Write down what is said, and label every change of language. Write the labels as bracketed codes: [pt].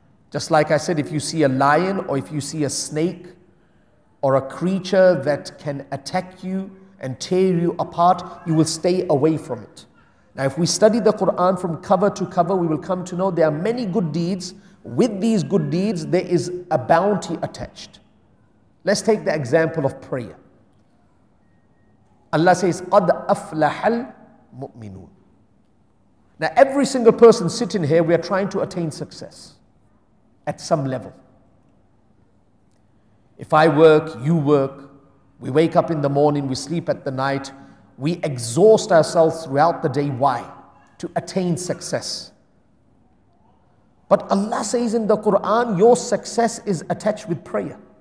[en] Just like I said, if you see a lion or if you see a snake or a creature that can attack you and tear you apart, you will stay away from it. Now, if we study the Quran from cover to cover, we will come to know there are many good deeds. With these good deeds, there is a bounty attached. Let's take the example of prayer. Allah says, [ar] قَدْ أَفْلَحَ الْمُؤْمِنُونَ. [en] Now every single person sitting here, we are trying to attain success at some level. If I work, you work, we wake up in the morning, we sleep at the night, we exhaust ourselves throughout the day. Why? To attain success. But Allah says in the Quran, your success is attached with prayer.